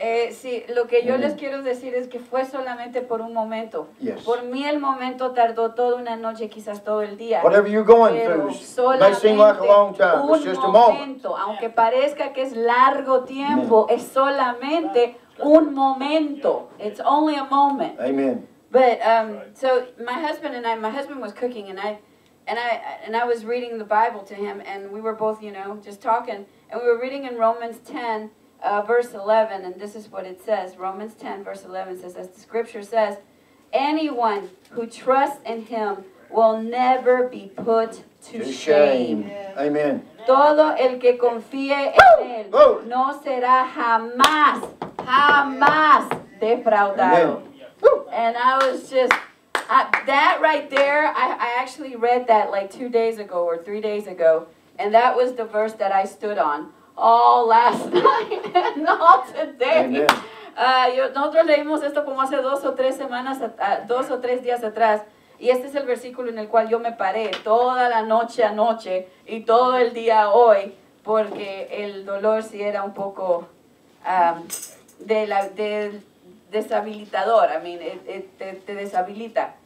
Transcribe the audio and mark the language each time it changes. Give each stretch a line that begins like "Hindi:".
Spanish: Sí, lo que yo les quiero decir es que fue solamente por un momento.
English: Yes.
Spanish: Por mí el momento tardó toda una noche, quizás todo el día.
English: Whatever you're going through may seem like a long time, it's just a moment.
Spanish: Aunque parezca que es largo tiempo, es solamente un momento.
English: It's only a moment. Amen. But so my husband was cooking and I was reading the Bible to him and we were both, you know, just talking and we were reading in Romans 10. verse 11, and this is what it says. Romans 10, verse 11 says, as the scripture says, anyone who trusts in him will never be put to shame. Amen.
Spanish: Todo el que confíe en él no será jamás, jamás defraudado.
English: Amen. And I was just, that right there, I actually read that like 2 days ago or 3 days ago. And that was the verse that I stood on all last night and all today. Amen.
Spanish: Nosotros leímos esto como hace dos o tres semanas, dos o tres días atrás. Y este es el versículo en el cual yo me paré toda la noche anoche y todo el día hoy, porque el dolor sí era un poco deshabilitador.
English: I mean,
Spanish: te deshabilita.